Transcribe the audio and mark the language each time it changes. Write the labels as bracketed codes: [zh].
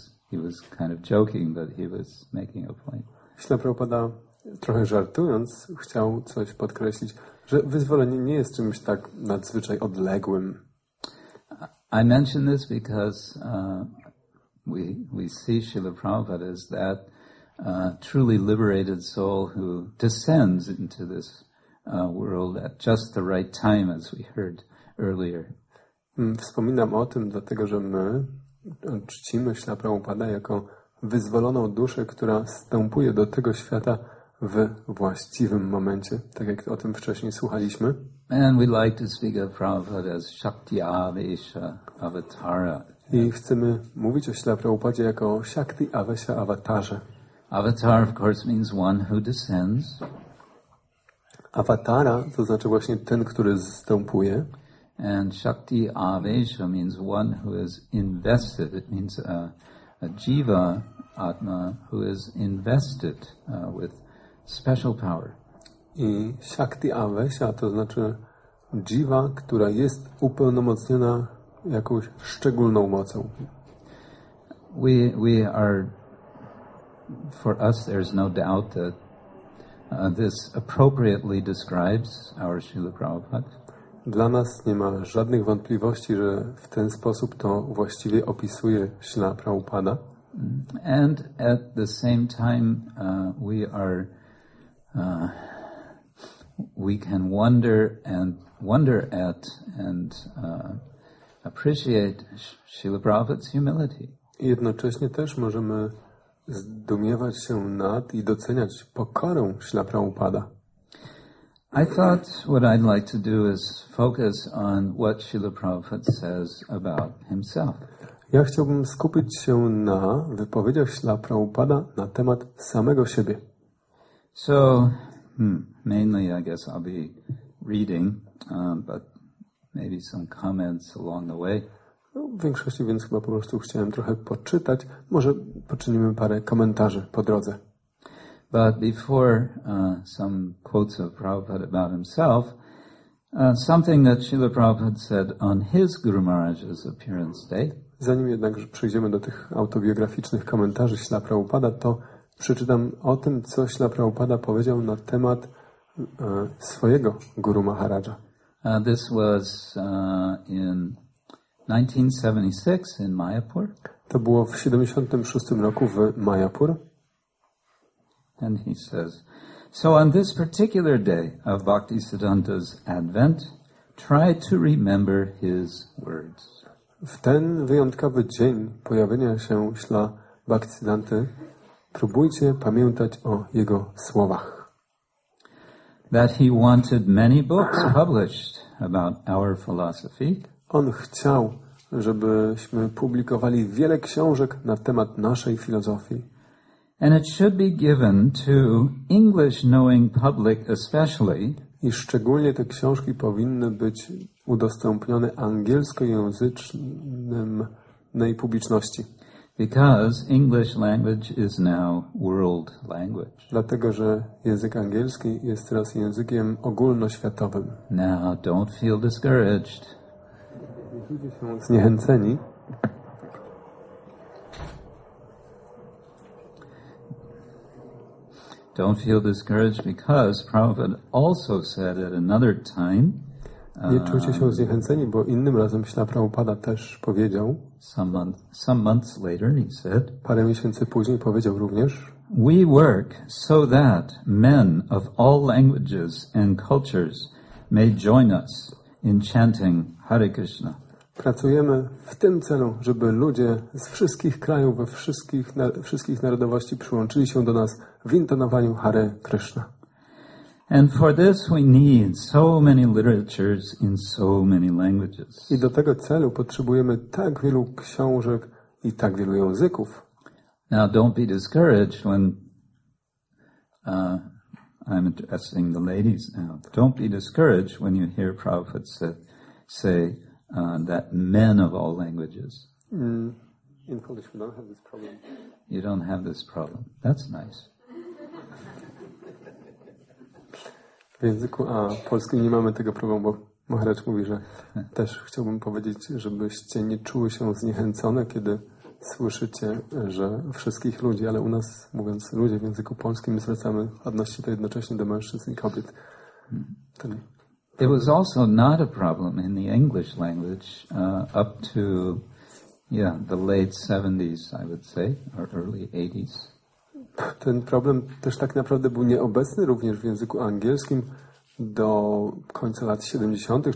[en] He was kind of joking, but he was making a point. [pl] Śrīla Prabhupāda, trochę żartując, chciał coś podkreślić, że wyzwolenie nie jest czymś tak nadzwyczaj odległym. [en] I mention this because we see Śrīla Prabhupāda as that truly liberated soul who descends into this world at just the right time, as we heard earlier. [pl] Wspominam o tym dlatego, że my czcimy Śrīla Prabhupāda jako wyzwoloną duszę, która wstępuje do tego świata w właściwym momencie, tak jak o tym wcześniej słuchaliśmy. [en] And we like to speak of Prabhupada as Shakti Avesha Avatara. [pl] I chcemy mówić o Śrīla Prabhupadzie jako Shakti Avesha Avatarze. [en] Avatar, of course, means one who descends. [pl] Avatara to znaczy właśnie ten, który zstępuje. [en] And Shakti Avesha means one who is invested. It means a jiva atma who is invested with special power. [pl] I Shakti Avesha to znaczy jiva, która jest upełnomocniona jakąś szczególną mocą. [en] We are, for us, there's no doubt that this appropriately describes our Śrīla Prabhupāda. [pl] Dla nas nie ma żadnych wątpliwości, że w ten sposób to właściwie opisuje Śrīla Prabhupāda. [en] And at the same time we are we can wonder at and appreciate Śrīla Prabhupāda's humility. [pl] I jednocześnie też możemy zdumiewać się nad i doceniać pokorę Śrīla Prabhupāda. [en] I thought what I'd like to do is focus on what Śrīla Prabhupāda says about himself. [pl] Ja chciałbym skupić się na wypowiedziach Śrīla Prabhupāda na temat samego siebie. [en] So, mainly I guess I'll be reading, but maybe some comments along the way. [pl] No, w większości więc chyba po prostu chciałem trochę poczytać. Może poczynimy parę komentarzy po drodze. [en] But before some quotes of Prabhupada about himself, something that Śrīla Prabhupada said on his Guru Maharaj's appearance day. [pl] Zanim jednak przejdziemy do tych autobiograficznych komentarzy Śrīla Prabhupada, to przeczytam o tym, co Śrīla Prabhupada powiedział na temat swojego Guru Maharaja. [en] This was in 1976 in Mayapur. [pl] To było w 76 roku w Mayapur. [en] And he says, so on this particular day of Bhaktisiddhanta's advent, try to remember his words. [pl] W ten wyjątkowy dzień pojawienia się Śla Bhaktisiddhanty próbujcie pamiętać o jego słowach. [en] That he wanted many books published about our philosophy. [pl] On chciał, żebyśmy publikowali wiele książek na temat naszej filozofii. [en] And it should be given to English-knowing public especially. [pl] I szczególnie te książki powinny być udostępnione angielskojęzycznej publiczności. [en] Because English language is now world language. [pl] Dlatego, że język angielski jest teraz językiem ogólnoświatowym. [en] Now don't feel discouraged. [pl] Nie się zniechęceni. [en] Don't feel discouraged because Prabhupada also said at another time. [pl] Nie czujcie się zniechęceni, bo innym razem Śla Prabhupada też powiedział. [en] Some months later he said. [pl] Parę miesięcy później powiedział również. [en] We work so that men of all languages and cultures may join us in chanting Hare Krishna. [pl] Pracujemy w tym celu, żeby ludzie z wszystkich krajów, we wszystkich narodowości przyłączyli się do nas w intonowaniu Hare Krishna. [en] And for this we need so many literatures in so many languages. [pl] I do tego celu potrzebujemy tak wielu książek i tak wielu języków. [en] Now don't be discouraged when I'm addressing the ladies now. Don't be discouraged when you hear Prabhupada say that men of all languages. In Polish we don't have this problem. You don't have this problem. That's nice. [pl] W języku a polskim nie mamy tego problemu, bo Maharaj mówi, że też chciałbym powiedzieć, żebyście nie czuły się zniechęcone, kiedy słyszycie, że wszystkich ludzi, ale u nas, mówiąc ludzie w języku polskim, my zwracamy odnosi to jednocześnie do mężczyzn i kobiet. [en] It was also not a problem in the English language up to the late 70s, I would say, or early 80s. [pl] Ten problem też tak naprawdę był nieobecny również w języku angielskim do końca lat 70.